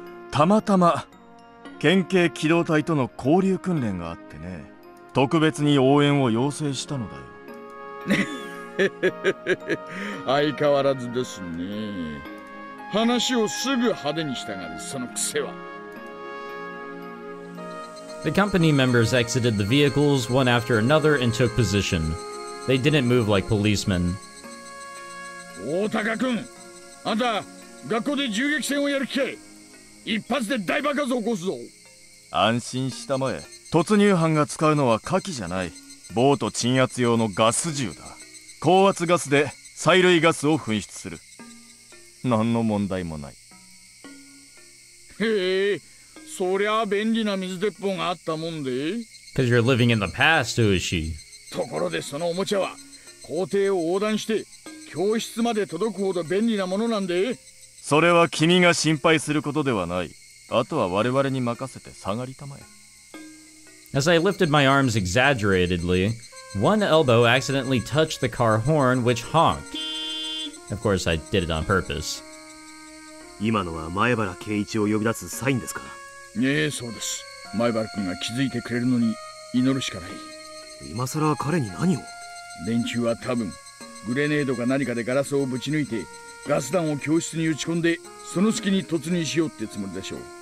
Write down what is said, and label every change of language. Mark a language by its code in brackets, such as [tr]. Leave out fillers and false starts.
[ja] たまたま県警機動隊との交流訓練があってね、特別に応援を要請したのだよ。相変わらずですね。話をすぐ派手にしたがる、その癖は。 [en] The company members exited the vehicles one after another and took position. They didn't move like policemen. [ja] Otaka-kun, あんた、学校で銃撃戦をやる気？一発で大爆発を起こすぞ。安心したまえ。突入班が使うのは火器じゃない。ボート鎮圧用のガス銃だ。高圧ガスで催涙ガスを噴出する。何の問題もない。へえ。そりゃ便利な水鉄砲があったもんで。 [en] Cause you're living in the past, Uishi. [ja] ところでそのおもちゃは校庭を横断して教室まで届くほど便利なものなんで。それは君が心配することではない。あとは我々に任せて下がりたまえ。 [en] As I lifted my arms exaggeratedly, one elbow accidentally touched the car horn, which honked. Of course, I did it on purpose. [ja] 今のは前原圭一を呼び出すサインですか？ねえ、そうです。前原君が気づいてくれるのに祈るしかない。今更彼に何を？連中は多分、グレネードか何かでガラスをぶち抜いて、ガス弾を教室に打ち込んで、その隙に突入しようってつもりでしょう。